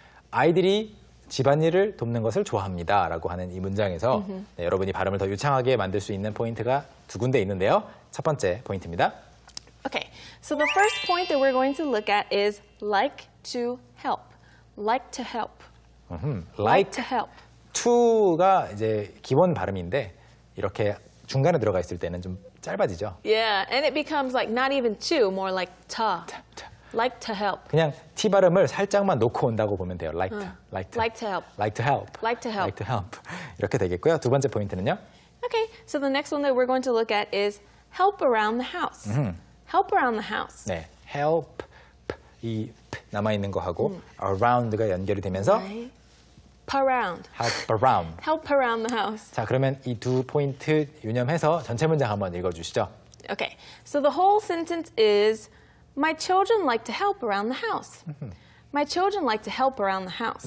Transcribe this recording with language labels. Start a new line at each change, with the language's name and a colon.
Korean: 아이들이 집안일을 돕는 것을 좋아합니다 라고 하는 이 문장에서 네, 여러분이 발음을 더 유창하게 만들 수 있는 포인트가 두 군데 있는데요. 첫 번째 포인트입니다.
English: Okay, so the first point that we're going to look at is like to help. Like to help. Like to help.
Korean: To가 이제 기본 발음인데 이렇게 중간에 들어가 있을 때는 좀 짧아지죠.
English: Yeah, and it becomes like not even to, more like to. Like to help.
Korean: 그냥 T 발음을 살짝만 놓고 온다고 보면 돼요.
English: Like, like to. Like to help. Like to help. Like to help. Like to help.
Korean: 이렇게 되겠고요. 두 번째 포인트는요?
English: Okay, so the next one that we're going to look at is help around the house. Help around the house.
Korean: 네, help, 이 p 남아있는 거하고 around가 연결이 되면서
English: Help around. Help around. Help around the house.
Korean: 자, 그러면 이 두 포인트 유념해서 전체 문장 한번 읽어주시죠.
English: Okay, so the whole sentence is My children like to help around the house. My children like to help around the house.